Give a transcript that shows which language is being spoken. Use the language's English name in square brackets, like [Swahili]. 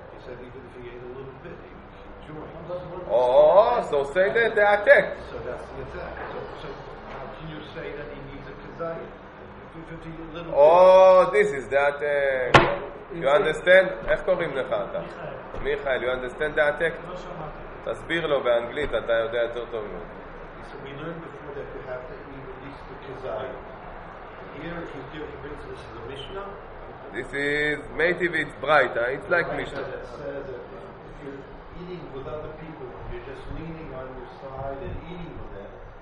[English] He said even if he ate a little bit, he would enjoy. So say that the attack. So that's the attack. So how can you say that he needs a kazayit? If he eat a little bit. Oh, this is the attack. You understand? [Hebrew] איך קוראים לך אתה? מיכאל, [English] you understand the attack? [Hebrew] לא שמעתי. תסביר לו באנגלית, אתה יודע יותר טוב ממנו. [English] So we learned before that we have to eat Kazayit. Here, if you give the Mishnah, this is, maybe it's bright, huh? It's like Mishnah. That says that if you're eating with other people, if you're just leaning on your side and eating with them,